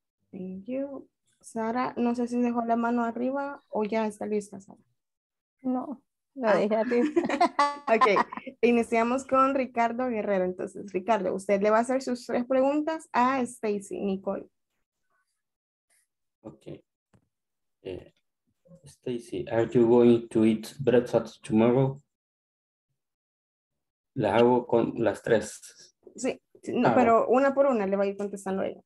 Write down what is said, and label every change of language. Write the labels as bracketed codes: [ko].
[en] Thank you. [es] Sara, no sé si dejó la mano arriba o ya está lista, Sara. No, la dejé arriba. Ok, iniciamos con Ricardo Guerrero. Entonces, Ricardo, usted le va a hacer sus tres preguntas a Stacy, Nicole. Ok. [en] Stacy, are you going to eat breakfast tomorrow? [es] La hago con las tres. Sí, no, pero una por una le va a ir contestando ella.